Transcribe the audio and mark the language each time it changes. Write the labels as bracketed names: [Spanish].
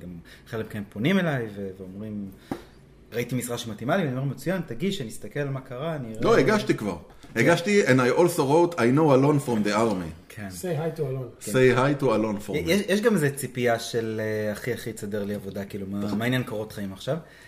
[Hebrew] גם חלק כאן פונים אליי ואומרים, ראיתי משרה שמתאימה לי, ואני אומר, מצוין, תגיש, אני אסתכל מה קרה, אני אראה... לא, הגשתי כבר. הגשתי, [English] and I also wrote, I know Alone from the army. [Hebrew] כן. [English] Say hi to Alone. Say hi to Alone for me. [Hebrew] יש גם איזו ציפייה של הכי הכי צדר לי עבודה, כאילו, מה עניין קורות חיים עכשיו?